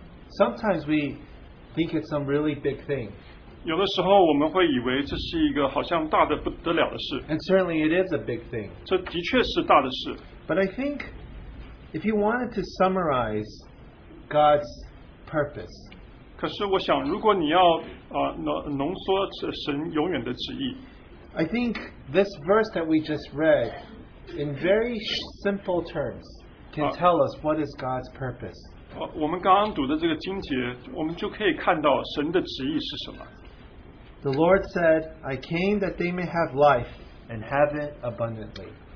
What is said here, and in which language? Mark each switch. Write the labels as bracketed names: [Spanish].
[English] Sometimes we think it's some really big thing. [Chinese] 有的时候我们会以为这是一个好像大的不得了的事. [English] And certainly it is a big thing. [Chinese] 这的确是大的事. [English] But I think if you wanted to summarize God's purpose, [Chinese] 可是我想如果你要浓缩神永远的旨意, [English] I think this verse that we just read, in very simple terms, can tell us what is God's purpose. [Chinese] 我们刚刚读的这个经节，我们就可以看到神的旨意是什么。The [English] Lord said, I came that they may have life and have it abundantly.